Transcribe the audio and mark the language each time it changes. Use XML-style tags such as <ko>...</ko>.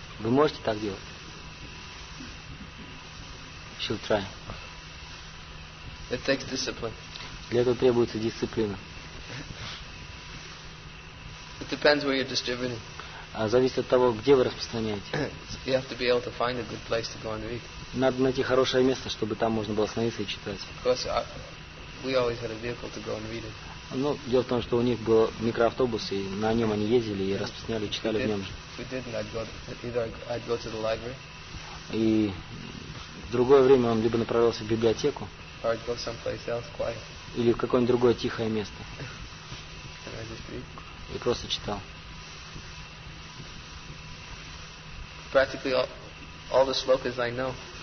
<ru>Вы можете так делать?</ru> <en>She'll try. It takes discipline.</en> <ru>Для этого требуется дисциплина.</ru> <en>It depends where you're distributing.</en> <ru>А зависит от того, где вы распространяете.</ru> <en>You have to be able to find a good place to go and read.</en> <ru>Надо найти хорошее место, чтобы там можно было остановиться и читать.</ru> <en>Of course, we always had a vehicle to go and read it.</en> <ru>Ну, дело в том, что у них был микроавтобус, и на нем они ездили и распространяли, читали в нем же.</ru> <en>If we didn't, I'd go to the library.</en> <ru>И в другое время он либо направился в библиотеку,</ru> <en>or I'd go someplace else, quiet.</en> <ru>Или в какое-нибудь другое тихое место.</ru> <en>And I just read.</en> <ru>И просто читал.</ru> <en>Practically all the shlokas I know.</en>